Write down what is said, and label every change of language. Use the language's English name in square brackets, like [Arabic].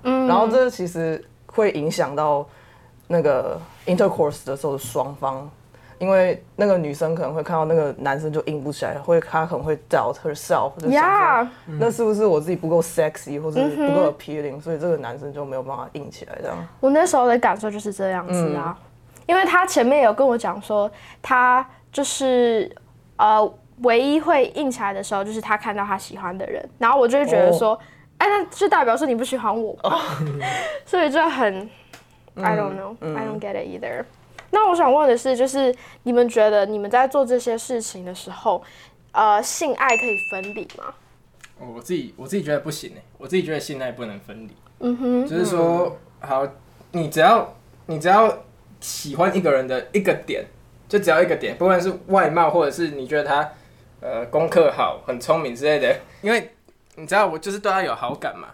[Chinese] 然后这其实会影响到那个 intercourse 的时候的双方，因为那个女生可能会看到那个男生就硬不起来，会她可能会 [English] doubt herself， [Chinese] 就想说、yeah. 那是不是我自己不够 sexy 或是不够 appealing，所以这个男生就没有办法硬起来这样。我那时候的感受就是这样子啊，因为他前面有跟我讲说，他就是唯一会硬起来的时候就是他看到他喜欢的人，然后我就会觉得说，哎、oh. 欸，那就代表说你不喜欢我吧？所以就很 [English] I don't know,I don't get it either。 [Chinese] 那我想问的是，就是你们觉得你们在做这些事情的时候，性爱可以分离吗？我自己觉得不行哎、欸，我自己觉得性爱不能分离。嗯哼，就是说，好，你只要喜欢一个人的一个点，就只要一个点，不管是外貌，或者是你觉得他功课好、很聪明之类的，因为你知道我就是对他有好感嘛。